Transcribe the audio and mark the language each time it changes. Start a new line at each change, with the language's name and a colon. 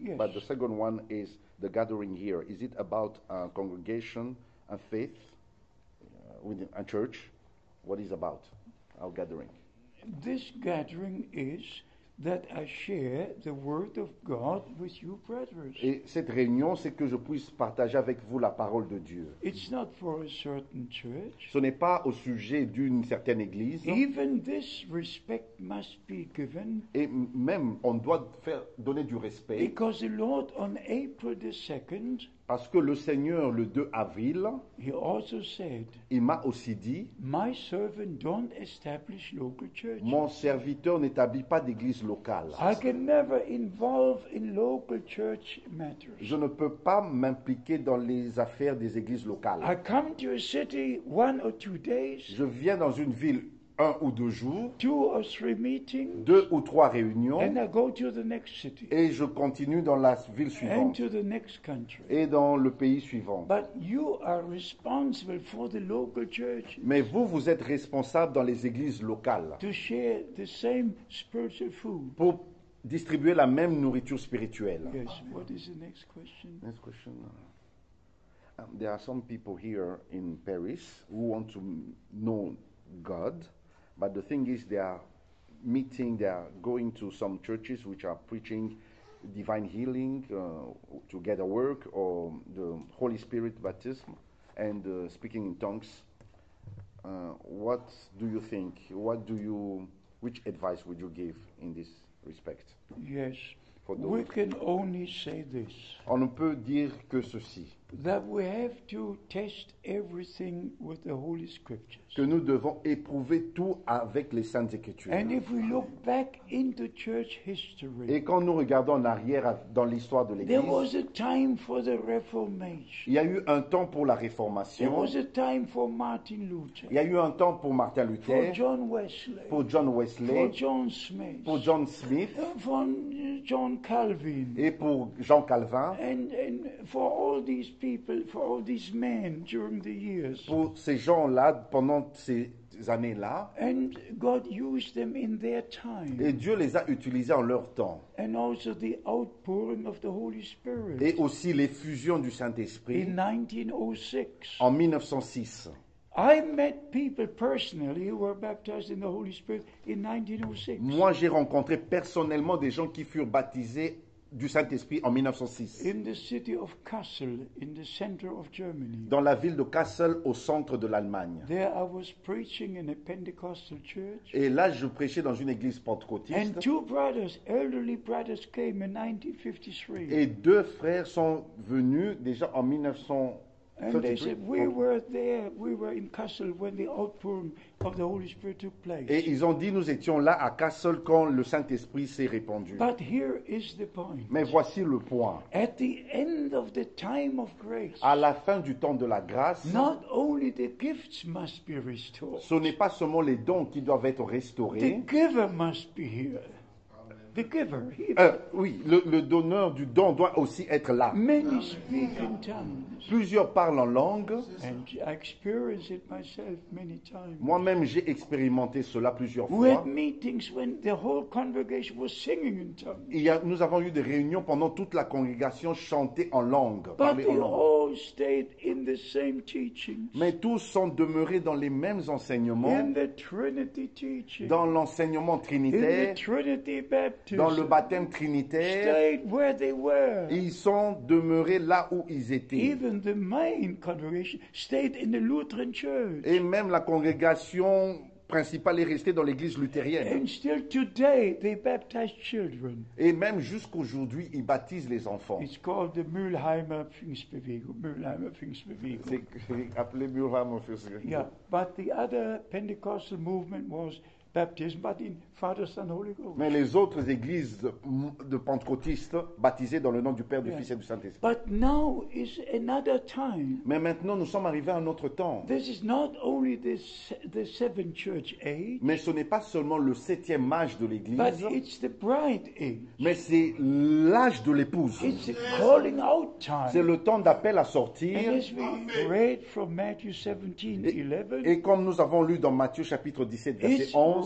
English: But the second one is the gathering here. Is it about congregation and faith within a church? What is about our gathering? This gathering is that I share the word of God with you, brothers.
French: Et cette réunion, c'est que je puisse partager avec vous la parole de Dieu.
English: It's not for a certain church.
French: Ce n'est pas au sujet d'une certaine église.
English: Even this respect must be given.
French: Et même, on doit faire donner du respect.
English: Because the Lord on April the 2nd.
French: Parce que le Seigneur, le 2 avril,
English: he also said,
French: il m'a aussi dit,
English: my servant don't establish local churches.
French: Mon serviteur n'établit pas d'église locale.
English: I can never involve in local church matters.
French: Je ne peux pas m'impliquer dans les affaires des églises locales.
English: I come to a city one or two days,
French: je viens dans une ville un ou deux jours,
English: two or three meetings,
French: deux ou trois réunions,
English: and I go to the next city,
French: et je continue dans la ville suivante,
English: and to the next country,
French: et dans le pays suivant.
English: But you are responsible for the local churches.
French: Mais vous, vous êtes responsable dans les églises locales
English: to share the same spiritual food.
French: Pour distribuer la même nourriture spirituelle.
English: Yes. What is the next question? Next question. There are some people here in Paris who want to know God, but the thing is they are meeting, they are going to some churches which are preaching divine healing, together work, or the Holy Spirit baptism, and speaking in tongues. What do you think? What do you? Which advice would you give in this respect? Yes. For those. We can only say this.
French: On ne peut dire que ceci.
English: That we have to test everything with the Holy Scriptures.
French: Que nous devons éprouver tout avec les Saintes Écritures.
English: And if we look back into church history.
French: Et quand nous regardons en arrière dans l'histoire de l'Église.
English: There was a time for the Reformation.
French: Il y a eu un temps pour la Réformation.
English: There was a time for Martin Luther.
French: Il y a eu un temps pour Martin Luther.
English: For John Wesley.
French: Pour John Wesley.
English: For John Smith.
French: Pour John Smith.
English: For John Calvin.
French: Et pour Jean Calvin.
English: And for all these people, for all these men during the years.
French: Pour ces gens-là, pendant ces années-là.
English: And God used them in their time.
French: Et Dieu les a utilisés en leur temps.
English: And also the outpouring of the Holy Spirit.
French: Et aussi l'effusion du Saint-Esprit.
English: In 1906.
French: En 1906.
English: I met people personally who were baptized in the Holy Spirit in 1906.
French: Moi, j'ai rencontré personnellement des gens qui furent baptisés du Saint-Esprit en 1906.
English: In the city of Kassel, in the center of Germany.
French: Dans la ville de Kassel, au centre de l'Allemagne.
English: There I was preaching in a Pentecostal church.
French: Et là, je prêchais dans une église pentecôtiste.
English: And two brothers, elderly brothers, came in 1953.
French: Et deux frères sont venus déjà en 1953.
English: And they said, we were there, we were in Kassel when the outpouring of the Holy Spirit took place.
French: Et ils ont dit nous étions là à Kassel quand le Saint-Esprit s'est répandu.
English: But here is the point.
French: Mais voici le point.
English: At the end of the time of grace.
French: À la fin du temps de la grâce.
English: Not only the gifts must be restored.
French: Ce n'est pas seulement les dons qui doivent être restaurés.
English: The giver must be here. The giver.
French: Oui, le donneur du don doit aussi être là.
English: Many speak in tongues.
French: Plusieurs parlent en langue.
English: And I experienced it myself many times.
French: Moi-même, j'ai expérimenté cela plusieurs fois.
English: We had meetings when the whole congregation was singing in tongues.
French: Nous avons eu des réunions pendant toute la congrégation chantait en langue.
English: But they
French: en langue.
English: All stayed in the same teachings.
French: Mais tous sont demeurés dans les mêmes enseignements.
English: In the Trinity teaching.
French: Dans l'enseignement trinitaire.
English: In the Trinity Baptist.
French: Dans le baptême trinitaire.
English: Stayed where they were.
French: Ils sont demeurés là où ils étaient.
English: Even the main congregation stayed in the Lutheran church.
French: Et même la congrégation principale est restée dans l'église luthérienne.
English: And still today they baptize children.
French: Et même jusqu'aujourd'hui ils baptisent les enfants.
English: It's called the Mülheimer Pfingstbewegung. Mülheimer Pfingstbewegung.
French: C'est appelé Mülheimer Pfingstbewegung.
English: Yeah, but the other Pentecostal movement was baptism, but in Father, Son, Holy Ghost.
French: Mais les autres églises de pentecôtistes baptisées dans le nom du Père, du Fils et du Saint-Esprit.
English: But now is another time.
French: Mais maintenant, nous sommes arrivés à un autre temps.
English: This is not only the seven church age.
French: Mais ce n'est pas seulement le septième âge de l'Église.
English: But it's the bride age.
French: Mais c'est l'âge de l'épouse.
English: It's the calling out time.
French: C'est le temps d'appel à sortir.
English: And as we read from Matthew 17:11.
French: Et comme nous avons lu dans Matthieu chapitre 17, verset 11.